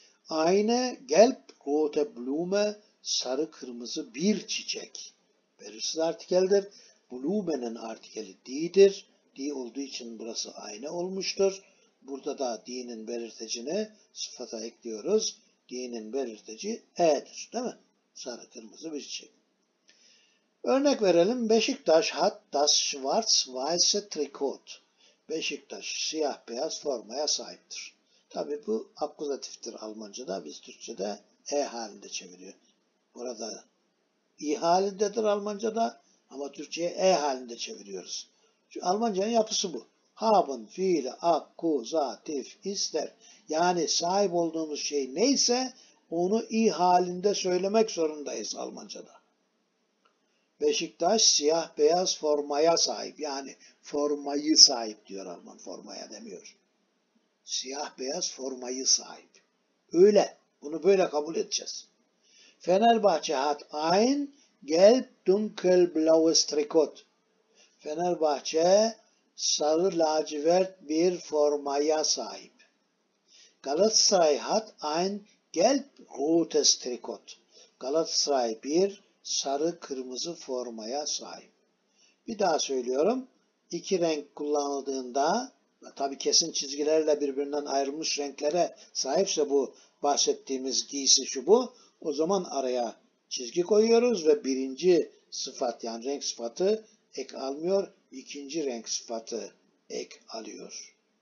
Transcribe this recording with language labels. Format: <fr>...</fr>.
<de>Eine gelb rote Blume</de> <tr>sarı kırmızı bir çiçek. Belirsiz artikeldir. Blume'nin artikeli D'dir. D olduğu için burası aynı olmuştur. Burada da D'nin belirtecini sıfata ekliyoruz. D'nin belirteci E'dir değil mi? Sarı kırmızı bir çiçek. Örnek verelim.</tr> <de>Beşiktaş hat das schwarz weiße Trikot.</de> <tr>Beşiktaş siyah beyaz formaya sahiptir. Tabi bu akkuzatiftir Almanca'da. Biz Türkçe'de E halinde çeviriyor. Burada İ halindedir Almanca'da ama Türkçe'ye E halinde çeviriyoruz. Çünkü Almanca'nın yapısı bu. Haben, fiil, akkuzatif, ister. Yani sahip olduğumuz şey neyse onu i halinde söylemek zorundayız Almanca'da. Beşiktaş siyah beyaz formaya sahip. Yani formayı sahip diyor Alman. Formaya demiyor. Siyah beyaz formayı sahip. Öyle. Bunu böyle kabul edeceğiz.</tr> <de>Fenerbahçe hat ein gelb dunkel blaues Trikot.</de> <tr>Fenerbahçe sarı lacivert bir formaya sahip.</tr> <de>Galatasaray hat ein gelb rotes Trikot.</de> <tr>Galatasaray bir sarı kırmızı formaya sahip. Bir daha söylüyorum. İki renk kullanıldığında, tabii kesin çizgilerle birbirinden ayrılmış renklere sahipse bu bahsettiğimiz giysi şu bu, o zaman araya çizgi koyuyoruz ve birinci sıfat yani renk sıfatı ek almıyor, ikinci renk sıfatı ek alıyor.</tr>